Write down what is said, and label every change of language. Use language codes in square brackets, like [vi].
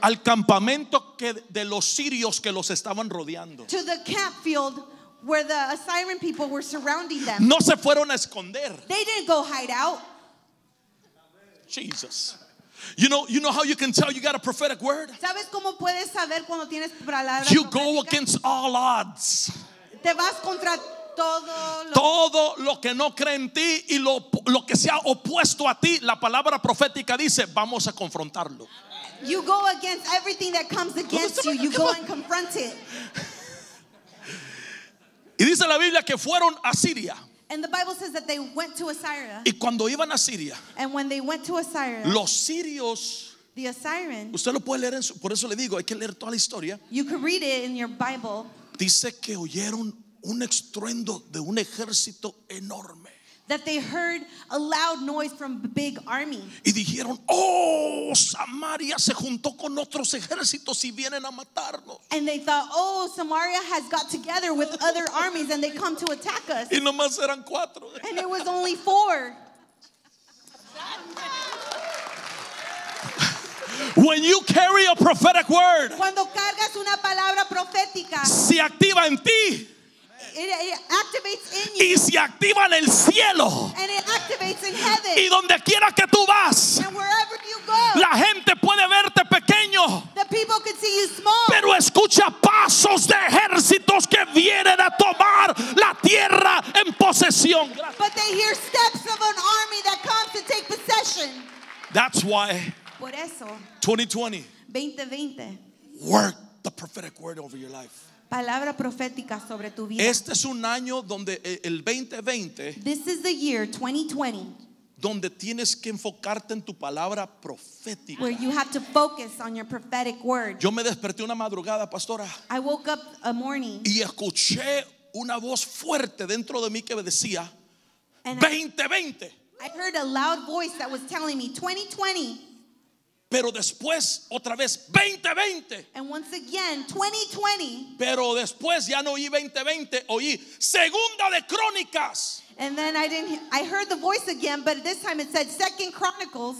[es] Al campamento que de los sirios que los estaban rodeando. [en] To the camp field where the Assyrian people were surrounding them. [es] No se fueron a esconder. [en] They didn't go hide out. Jesus. You know how you can tell you got a prophetic word? [es] ¿Sabes cómo puedes saber cuando tienes palabra? [en] You go against all odds. [es] Te vas contra todo lo que no cree en ti y lo que se ha opuesto a ti. La palabra profética dice, vamos a confrontarlo. [en] You go against everything that comes against you. You go and confront it. [es] Y dice la Biblia que fueron a Siria. [en] And the Bible says that they went to Assyria. [es] Y cuando iban a Siria, [en] and when they went to Assyria, [es] los sirios, [en] the Assyrians, [es] usted lo puede leer en su, por eso le digo, hay que leer toda la historia. [en] You can read it in your Bible. [es] Dice que oyeron un estruendo de un ejército enorme. [en] That they heard a loud noise from a big army. [es] Y dijeron, oh, Samaria se juntó con otros ejércitos y vienen a matarnos. [en] And they thought, oh, Samaria has got together with other armies and they come to attack us. [es] Y nomás eran cuatro. [en] And it was only four. When you carry a prophetic word, [es] cuando cargas una palabra profética, se activa en ti. [en] It activates in you. [es] Y se activa en el cielo. [en] And it activates in heaven. [es] Y donde quiera que tú vas. [en] And wherever you go. [es] La gente puede verte pequeño. [en] The people can see you small. [es] Pero escucha pasos de ejércitos que vienen a tomar la tierra en posesión. [en] But they hear steps of an army that comes to take possession. That's why. [es] Por eso. 2020. 2020. [en] Work the prophetic word over your life. [es] Palabra profética sobre tu vida. Este es un año donde el 2020. [en] This is the year 2020. [es] Donde tienes que enfocarte en tu palabra profética. [en] Where you have to focus on your prophetic word. [es] Yo me desperté una madrugada, pastora. [en] I woke up a morning. [es] Y escuché una voz fuerte dentro de mí que me decía, 2020. [en] I heard a loud voice that was telling me 2020. [es] Pero después otra vez 2020. [en] And once again 2020. [es] Pero después ya no oí 2020, oí Segunda de Crónicas. [en] And then I heard the voice again, but this time it said Second Chronicles.